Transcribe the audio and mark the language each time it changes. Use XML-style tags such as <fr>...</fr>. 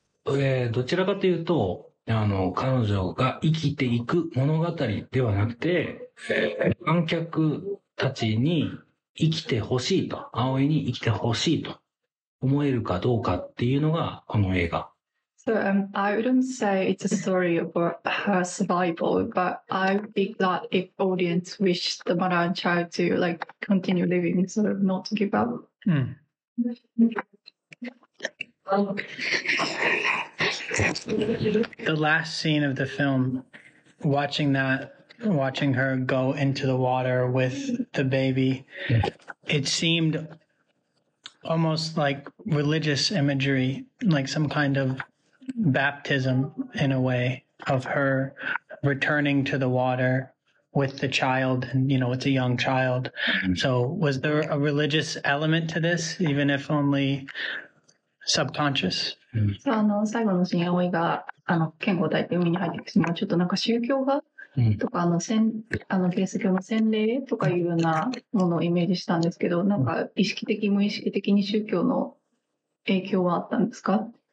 <ja>どちらかというと、彼女が生きていく物語ではなくて、観客たちに生きてほしいと、葵に生きてほしいと思えるかどうかっていうのがこの映画。</ja> <en>So, I wouldn't say it's a story about her survival, but I would be glad if audience wished the mother and child to like continue living, sort of not to give up. The last scene of the film, watching her go into the water with the baby, it seemed almost like religious imagery, like some kind of baptism in a way of her returning to the water with the child, and you know, it's a young child. So was there a religious element to this, even if only subconscious?</en> <ja>そう、最後のシーン、葵が剣を抱いて海に入っていくシーンは、ちょっとなんか宗教画とか、キリスト教の洗礼とかいうようなものをイメージしたんですけど、なんか意識的、無意識的に宗教の影響はあったんですか？</ja>